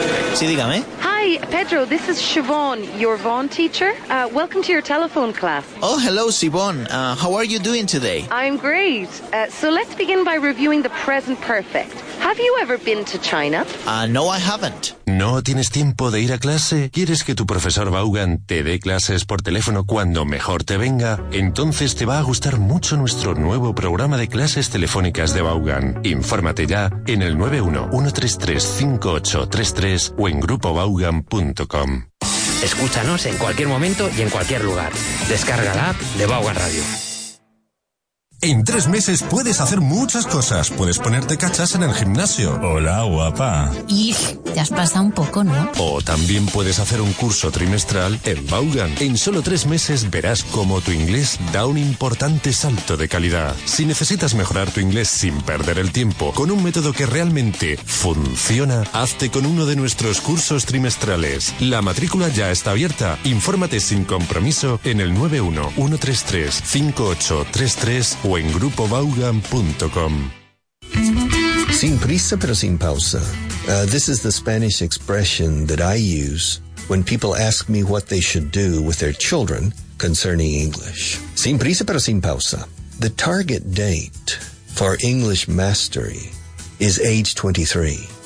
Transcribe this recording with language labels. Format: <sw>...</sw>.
<es>Sí, dígame.</es> <en>Hi, Pedro. This is Siobhan, your Vaughan teacher. Welcome to your telephone class. Oh, hello, Siobhan. How are you doing today? I'm great. So let's begin by reviewing the present perfect. Have you ever been to China? No, I haven't.</en> <es>¿No tienes tiempo de ir a clase? ¿Quieres que tu profesor Vaughan te dé clases por teléfono cuando mejor te venga? Entonces te va a gustar mucho nuestro nuevo programa de clases telefónicas de Vaughan. Infórmate ya en el 91-133-5833 o en grupovaughan.com. Escúchanos en cualquier momento y en cualquier lugar. Descarga la app de Vaughan Radio. En 3 meses puedes hacer muchas cosas. Puedes ponerte cachas en el gimnasio. Hola, guapa. Ig, te has pasado un poco, ¿no? O también puedes hacer un curso trimestral en Vaughan. En solo 3 meses verás cómo tu inglés da un importante salto de calidad. Si necesitas mejorar tu inglés sin perder el tiempo, con un método que realmente funciona, hazte con uno de nuestros cursos trimestrales. La matrícula ya está abierta. Infórmate sin compromiso en el 91-133-5833 o en grupovaughan.com. Sin prisa pero sin pausa.</es> <en>This is the Spanish expression that I use when people ask me what they should do with their children concerning English.</en> <es>Sin prisa pero sin pausa.</es> <en>The target date for English mastery is age 23.</en>